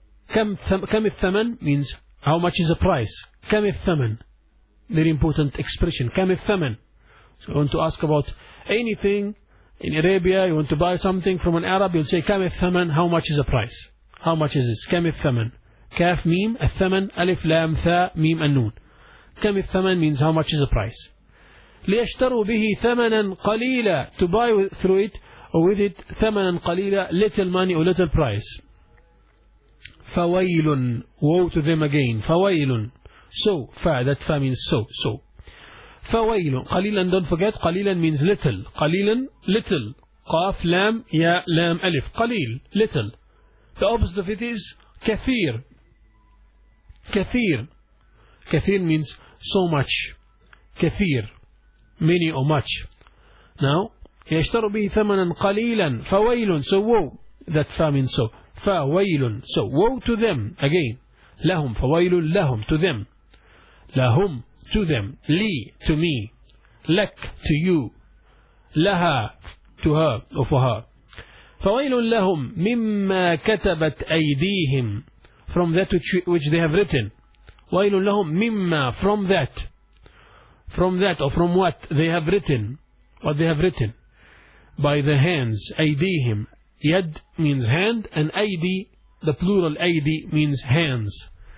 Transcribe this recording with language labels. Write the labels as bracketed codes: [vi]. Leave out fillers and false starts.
[ar] كَمِ الثَّمَن [en] means how much is the price. كَمِ الثَّمَن, very important expression. [ar] كَمِ الثَّمَن, [en] so you want to ask about anything in Arabia, you want to buy something from an Arab, you'll say كَمِ الثَّمَن, how much is the price, how much is this. [ar] كَمِ الثَّمَن, كَاف ميم الثَّمَن أَلِف لَام ثَا ميم النون. كَمِ الثَّمَن [en] means how much is the price. [ar] لِيَشْتَرُوا بِهِ ثَمَنًا قَلِيلًا, [en] to buy through it or with it, [ar] ثَمَنًا قَلِيلًا, [en] little money or little price. فَوَيْلٌ, woe to them again. فَوَيْلٌ, So, fa, that fa means so, so. [ar] فويل قليلاً, [en] don't forget, قليلاً means little. [ar] قليلاً, [en] little. [ar] قاف, لام, يا, لام, ألف. [en] قليل, little. The opposite of it is كثير. [ar] كثير. [en] كثير means so much. كثير. Many or much. Now, [ar] يشتر به ثمنا قليلا فويل. [en] So woe. That fa means so. فويل. So woe to them. Again. لهم. [ar] فويل لهم. [en] To them. لهم. To them. لي. To me. لك. To you. لها. To her. Or for her. [ar] فويل لهم مما كتبت أيديهم. [en] From that which they have written. [ar] ويل لهم مما. [en] From that. From that or from what they have written. What they have written. By the hands, aydihim. Yad means hand, and aydi, the plural aydi, means hands.